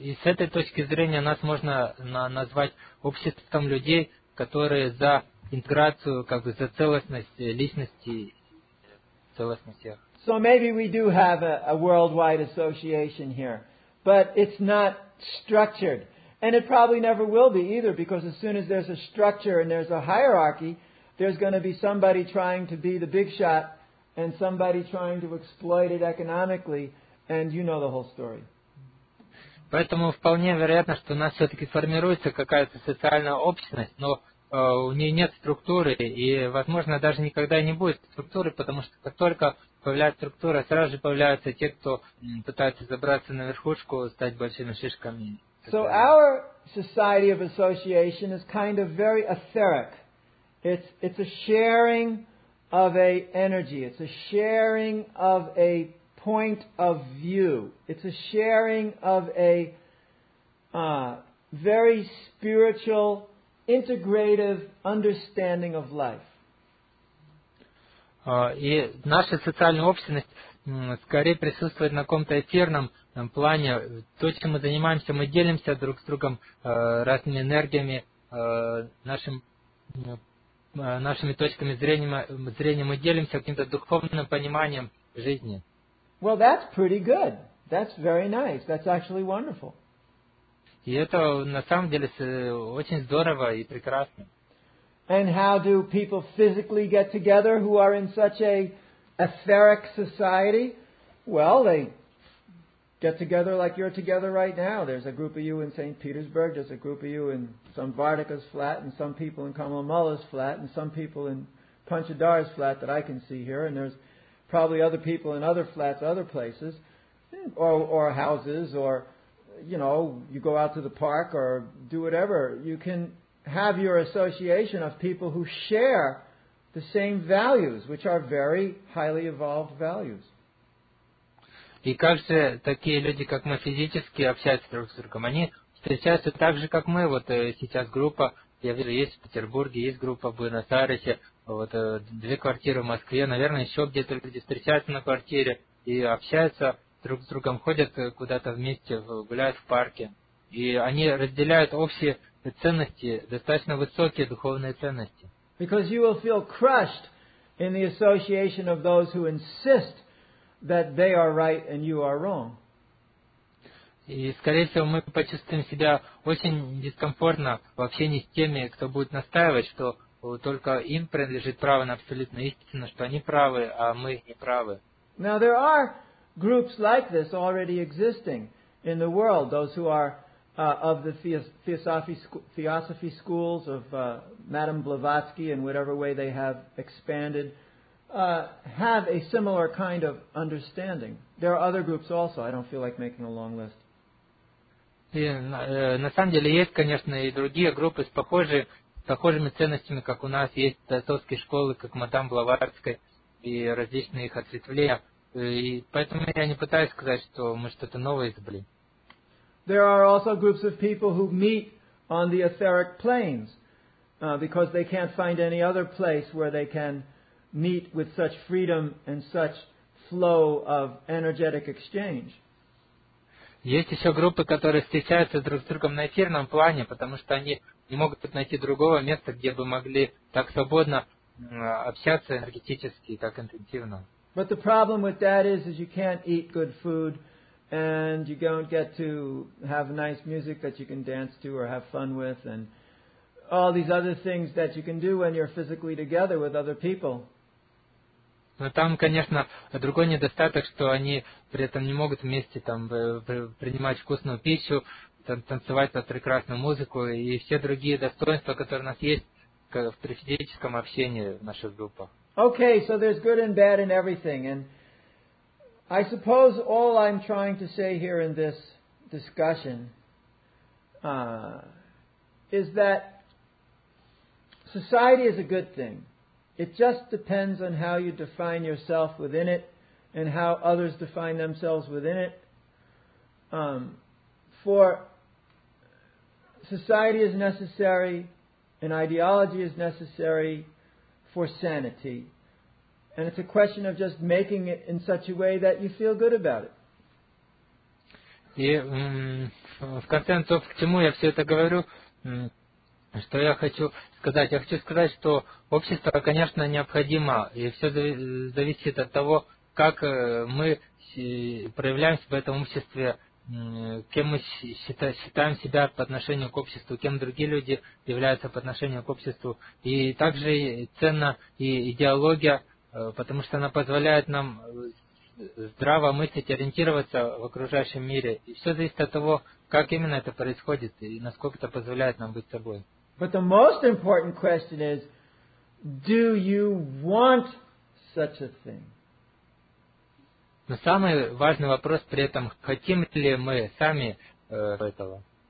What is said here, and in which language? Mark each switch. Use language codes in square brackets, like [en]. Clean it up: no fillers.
[ru] И с этой точки зрения нас можно назвать обществом людей, которые за интеграцию, как бы за целостность личности, целостность всех. [en] So maybe we do have a worldwide association here, but it's not structured. And it probably never will be either, because as soon as there's a structure and there's a hierarchy, there's going to be somebody trying to be the big shot and somebody trying to exploit it economically, and you know the whole story. [ru] Поэтому вполне вероятно, что у нас все-таки формируется какая-то социальная общность, но у нее нет структуры, и, возможно, даже никогда не будет структуры, потому что как только появляется структура, сразу же появляются те, кто пытается забраться на верхушку, стать большими шишками. [en] So our society of association is kind of very etheric. It's a sharing of a energy. It's a sharing of a point of view. It's a sharing of a very spiritual, integrative understanding of life. [ru] И наша социальная общность скорее присутствует на каком-то эфирном плане. То, чем мы занимаемся, мы делимся друг с другом разными энергиями, нашими точками зрения, мы делимся каким-то духовным пониманием жизни. [en] Well, that's pretty good. That's very nice. That's actually wonderful. [ru] И это на самом деле очень здорово и прекрасно. [en] And how do people physically get together who are in such a etheric society? Well, they get together like you're together right now. There's a group of you in St. Petersburg, there's a group of you in some Vardika's flat, and some people in Kamalamala's flat, and some people in Panchadara's flat that I can see here, and there's probably other people in other flats, other places, or houses, or, you know, you go out to the park or do whatever. You can have your association of people who share the same values, which are very highly evolved values. [ru] И как же такие люди, как мы, физически общаются друг с другом? Они встречаются так же, как мы. Вот сейчас группа, я вижу, есть в Петербурге, есть группа в Буэнос-Айресе, вот две квартиры в Москве, наверное, еще где-то люди встречаются на квартире и общаются друг с другом, ходят куда-то вместе, гуляют в парке. И они разделяют общие ценности, достаточно высокие духовные ценности. [en] Because you will feel crushed in the association of those who insist that they are right and you are wrong. [ru] И, скорее всего, мы почувствуем себя очень дискомфортно в общении с теми, кто будет настаивать, что только им принадлежит право на абсолютную истину, что они правы, а мы не правы. [en] Now there are groups like this already existing in the world, those who are of the theosophy schools of Madame Blavatsky, in whatever way they have expanded, have a similar kind of understanding. There are other groups also. I don't feel like making a long list. [ru] И, на самом деле есть, конечно, и другие группы с похожими ценностями, как у нас. Есть теософские школы, как мадам Блаватская, и различные их ответвления. И поэтому я не пытаюсь сказать, что мы что-то новое изобрели. [en] There are also groups of people who meet on the etheric planes because they can't find any other place where they can meet with such freedom and such flow of energetic exchange. [ru] Есть еще группы, которые встречаются друг с другом на эфирном плане, потому что они не могут найти другого места, где бы могли так свободно общаться энергетически и так интенсивно. [en] But the problem with that is you can't eat good food, and you don't get to have nice music that you can dance to or have fun with, and all these other things that you can do when you're physically together with other people. [ru] Но там, конечно, другой недостаток, что они при этом не могут вместе там принимать вкусную пищу, танцевать под прекрасную музыку и все другие достоинства, которые у нас есть в физическом общении в наших группах. [en] Okay, so there's good and bad in everything, and I suppose all I'm trying to say here in this discussion is that society is a good thing. It just depends on how you define yourself within it and how others define themselves within it. For society is necessary, an ideology is necessary for sanity. And it's a question of just making it in such a way that you feel good about it. [ru] И в конце концов, к чему я все это говорю? Что я хочу сказать? Я хочу сказать, что общество, конечно, необходимо, и все зависит от того, как мы проявляемся в этом обществе, кем мы считаем себя по отношению к обществу, кем другие люди являются по отношению к обществу. И также ценна и идеология, потому что она позволяет нам здраво мыслить, ориентироваться в окружающем мире. И все зависит от того, как именно это происходит и насколько это позволяет нам быть собой. [en] But the most important question is, do you want such a thing? [ru] Но самый важный вопрос при этом, хотим ли мы сами этого?